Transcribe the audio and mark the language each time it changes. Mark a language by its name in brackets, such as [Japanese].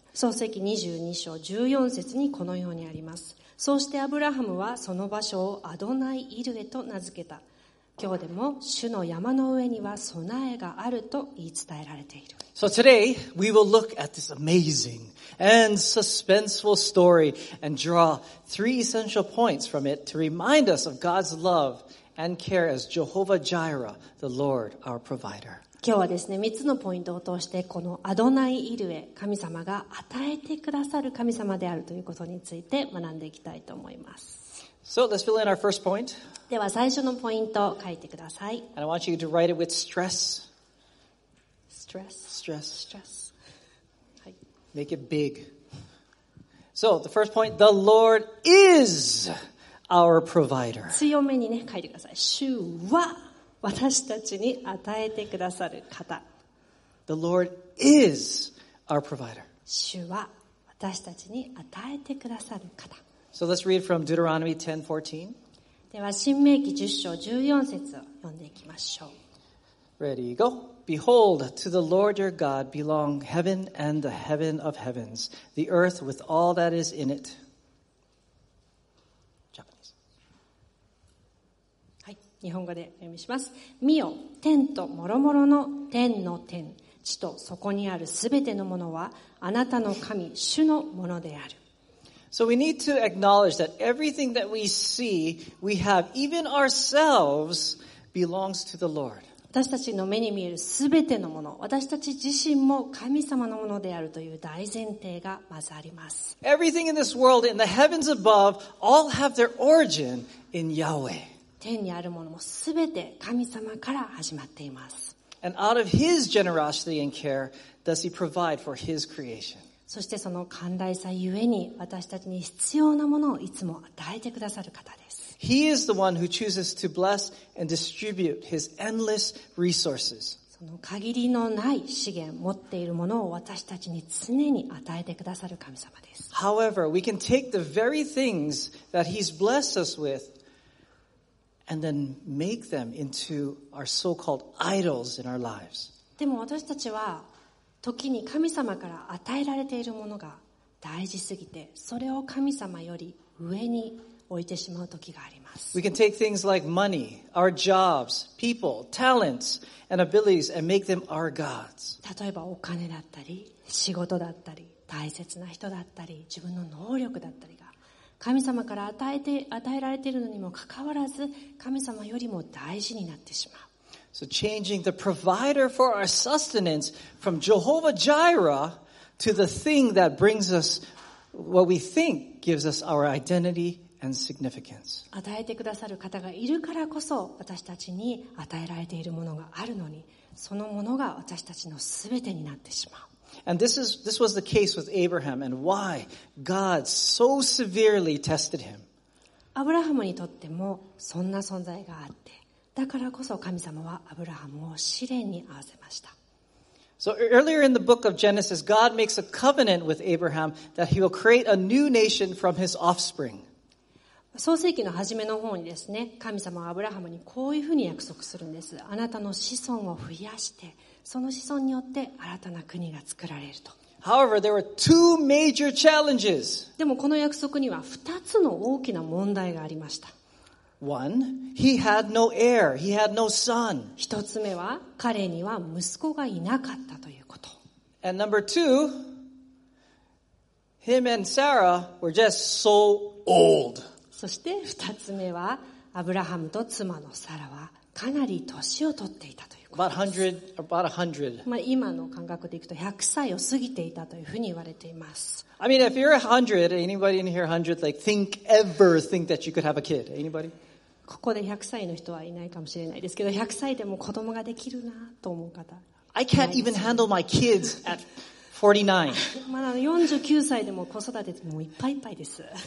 [Japanese] 創世記22章14節にこのようにあります。そうしてアブラハムはその場所をアドナイイルエと名付けた。今日でも主の山の上には備えがあると言い伝えられている。 [English] So today we will look at this amazing and suspenseful story and draw three essential points from it to remind us of God's love. And care as Jehovah Jireh, the Lord, our provider. [Japanese] 今日はですね、3つのポイントを通して、このアドナイイルエ、神様が与えてくださる神様であるということについて学んでいきたいと思います。 [English] So, let's fill in our first point. [Japanese] では最初のポイントを書いてください。 [English] And I want you to write it with stress. Stress. Stress. Stress. はい。Make it big. So, the first point, the Lord is... Our provider. [Japanese] 強めにね、書いてください。主は私たちに与えてくださる方。 [English] The Lord is our provider. [Japanese] 主は私たちに与えてくださる方。 [English] So let's read from Deuteronomy 10:14. [Japanese] では、申命記10章14節を読んでいきましょう。 [English] Ready, go. Behold, to the Lord your God belong heaven and the heaven of heavens, the earth with all that is in it. [Japanese] 日本語で読みします。見よ、天と諸々の天の天、地とそこにあるすべてのものはあなたの神主のものである。 [English] So we need to acknowledge that everything that we see, we have, even ourselves, belongs to the Lord. [Japanese] 私たちの目に見えるすべてのもの、私たち自身も神様のものであるという大前提がまずあります。 [English] Everything in this world, in the heavens above, all have their origin in Yahweh. [Japanese] 天にあるものもすべて神様から始まっています。 [English] And out of his generosity and care, does he provide for his creation? [Japanese] そしてその寛大さゆえに私たちに必要なものをいつも与えてくださる方です。 [English] He is the one who chooses to bless and distribute his endless resources. [Japanese] その限りのない資源持っているものを私たちに常に与えてくださる神様です。 [English] However, we can take the very things that he's blessed us withAnd then make them into our so-called idols in our lives. [Japanese] でも私たちは時に神様から与えられているものが大事すぎて、それを神様より上に置いてしまう時があります。 [English] We can take things like money, our jobs, people, talents, and abilities, and make them our gods. [Japanese] 例えばお金だったり、仕事だったり、大切な人だったり、自分の能力だったりが。神様から与えられているのにもかかわらず、神様よりも大事になってしまう。 [English] So changing the provider for our sustenance from Jehovah Jireh to the thing that brings us what we think gives us our identity and significance. [Japanese] 与えてくださる方がいるからこそ、私たちに与えられているものがあるのに、そのものが私たちのすべてになってしまう。 [English] And this was the case with Abraham and why God so severely tested him. [Japanese] アブラハムにとってもそんな存在があって、だからこそ神様はアブラハムを試練に遭わせました。 [English] So earlier in the book of Genesis, God makes a covenant with Abraham that he will create a new nation from his offspring. [Japanese] 創世記の初めの方にですね、神様はアブラハムにこういうふうに約束するんです。あなたの子孫を増やして、その子孫によって新たな国が作られると。 [English] However, there were two major challenges. [Japanese] でもこの約束には二つの大きな問題がありました。 [English] One, he had no heir, he had no son. [Japanese] 一つ目は彼には息子がいなかったということ。 [English] And number two, Him and Sarah were just so old. [Japanese] そして二つ目は、アブラハムと妻のサラはかなり年を取っていたということです。 [English] About 100. [Japanese] 今の感覚でいくと100歳を過ぎていたというふうに言われています。 [English] I mean, if you're 100, anybody in here 100, like, think, ever think that you could have a kid? Anybody? [Japanese] ここで100歳の人はいないかもしれないですけど、100歳でも子供ができるなと思う方。 [English] I can't even handle my kids at 49. [Japanese] まだ49歳でも子育てでもいっぱいいっぱいです。